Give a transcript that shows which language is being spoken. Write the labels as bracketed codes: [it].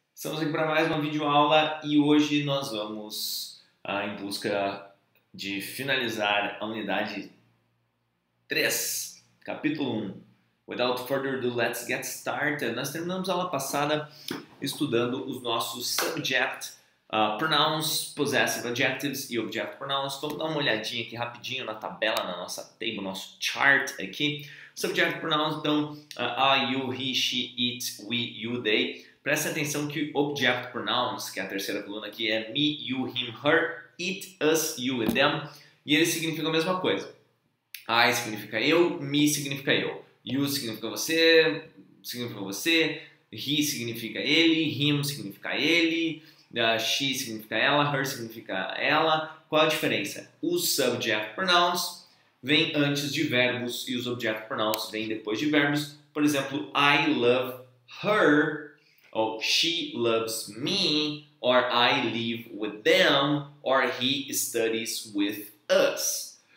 [pt] Estamos aqui para mais uma videoaula e hoje nós vamos em busca de finalizar a unidade 3, capítulo 1. [en] Without further ado, let's get started. [pt] Nós terminamos a aula passada estudando os nossos subject pronouns, possessive adjectives e object pronouns. Vamos dar uma olhadinha aqui rapidinho na tabela, na nossa table, nosso chart aqui. [en] Subject pronouns, então, I, you, he, she, it, we, you, they. [pt] Presta atenção que object pronouns, que é a terceira coluna aqui, é me, you, him, her, it, us, you, and them. E eles significam a mesma coisa. I significa eu, me significa eu. You significa você, he significa ele, him significa ele, she significa ela, her significa ela. Qual a diferença? Os subject pronouns vem antes de verbos e os object pronouns vêm depois de verbos. Por exemplo, [en] I love her, ou she loves me, or I live with them, or he studies with us.